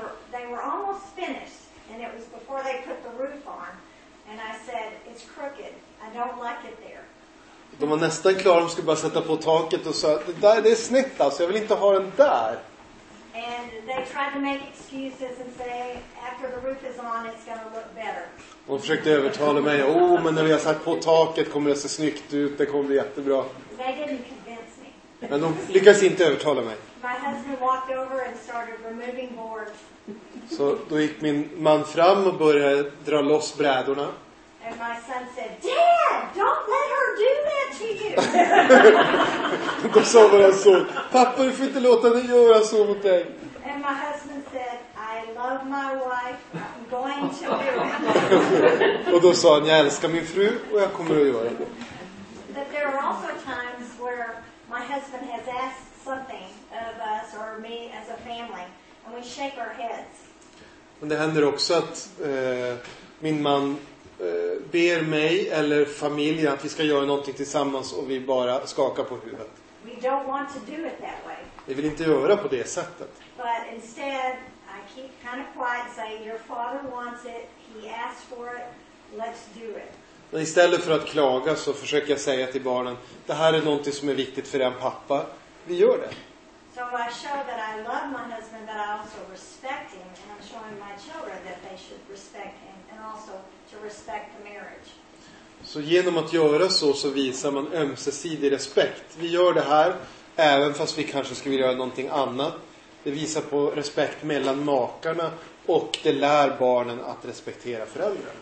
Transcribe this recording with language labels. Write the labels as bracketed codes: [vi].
[en] They were almost finished and it was before they put the roof on and I said it's crooked. I don't like it there. [sv] De var nästan klara, de skulle bara sätta på taket och sa, det är snett alltså, jag vill inte ha den där. [en] And they tried to make excuses and say, after the roof is on, it's gonna look better. [sv] De försökte övertala mig, men när vi har satt på taket kommer det se snyggt ut, det kommer bli jättebra. [en] They didn't convince me. [sv] Men de lyckades inte övertala mig. [en] My husband walked over and started removing boards. [sv] Så då gick min man fram och började dra loss brädorna. [en] And my son said, Dad, don't let her do that to you. [sv] Då sa våran son, pappa, du får inte låta henne göra så mot dig. [en] And my husband said, I love my wife, I'm going to do it. [sv] Och då sa han, jag älskar min fru och jag kommer att göra det. [en] But there are also times where my husband has asked something of us or me as a family. And we shake our heads. [sv] Men det händer också att min man ber mig eller familjen att vi ska göra någonting tillsammans och vi bara skakar på huvudet. [en] We don't want to do it that way. [sv] Vi vill inte göra på det sättet. [en] But instead, I keep kind of quiet saying, your father wants it, he asked for it, let's do it. [sv] Men istället för att klaga så försöker jag säga till barnen, det här är någonting som är viktigt för din pappa, vi gör det. [en] So I show that I love my husband, that I also respect him, and I'm showing my children that they should respect him, and also respect the marriage. [sv] Så genom att göra så visar man ömsesidig respekt. Vi gör det här även fast vi kanske skulle vilja göra någonting annat. Det visar på respekt mellan makarna och det lär barnen att respektera föräldrarna.